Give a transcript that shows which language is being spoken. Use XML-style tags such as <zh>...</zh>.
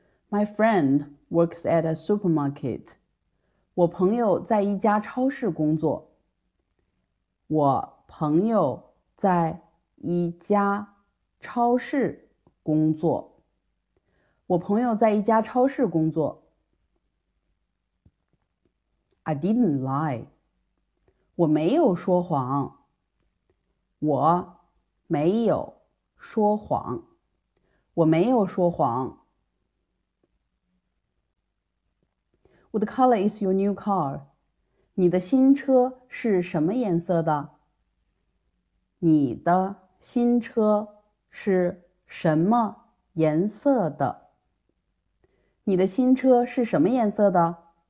<en>My friend works at a supermarket.</en> <zh>我朋友在一家超市工作。我朋友在一家超市工作。我朋友在一家超市工作。</zh> <en>I didn't lie.</en> <zh>我没有说谎。我没有说谎。我没有说谎。</zh> <en>What color is your new car?</en> <zh>你的新车是什么颜色的？你的新车是什么颜色的？你的新车是什么颜色的？</zh>